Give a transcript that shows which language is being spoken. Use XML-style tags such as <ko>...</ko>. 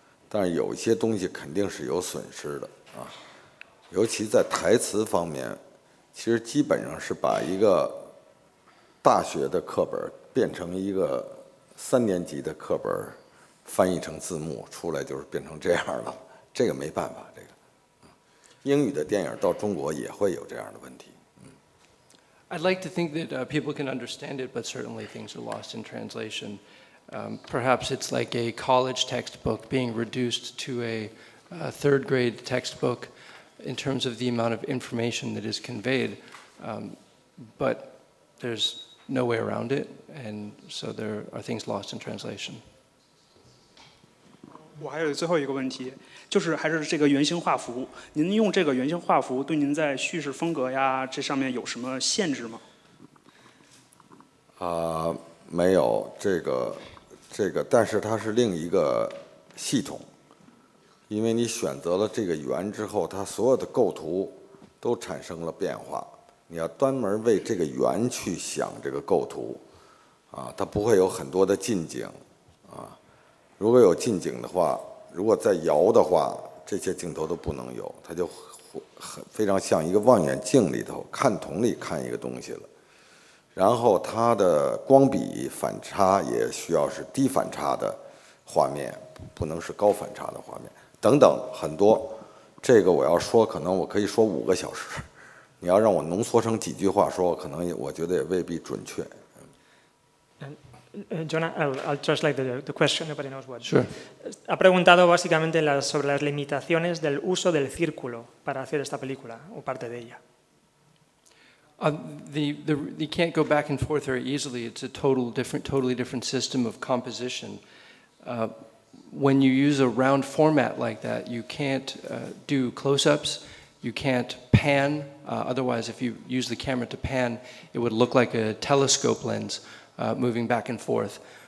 <zh>但是有一些东西肯定是有损失的啊，尤其在台词方面，其实基本上是把一个大学的课本变成一个三年级的课本翻译成字幕出来，就是变成这样了。这个没办法，这个英语的电影到中国也会有这样的问题。</zh> <en>I'd like to think that people can understand it, but certainly things are lost in translation. Perhaps it's like a college textbook being reduced to a third grade textbook in terms of the amount of information that is conveyed, but there's no way around it, and so there are things lost in translation.</en> <zh>我还有最后一个问题，就是还是这个原型画幅，您用这个原型画幅对您在叙事风格呀这上面有什么限制吗？没有，这个但是它是另一个系统，因为你选择了这个圆之后，它所有的构图都产生了变化，你要专门为这个圆去想这个构图啊，它不会有很多的近景啊，如果有近景的话，如果再摇的话，这些镜头都不能有，它就很非常像一个望远镜里头看筒里看一个东西了。然后它的光比反差也需要是低反差的画面，不能是高反差的画面等等很多。这个我要说可能我可以说五个小时，你要让我浓缩成几句话说，可能我觉得也未必准确。</zh> <en>Jonah, I'll translate the question, nobody knows what. Sure.</en> <es>Ha preguntado básicamente sobre las limitaciones del uso del círculo para hacer esta película o parte de ella.</es> <en>You can't go back and forth very easily. It's a totally different system of composition. when you use a round format like that, you can't do close-ups, you can't pan. Otherwise, if you use the camera to pan, it would look like a telescope lens moving back and forth.</en>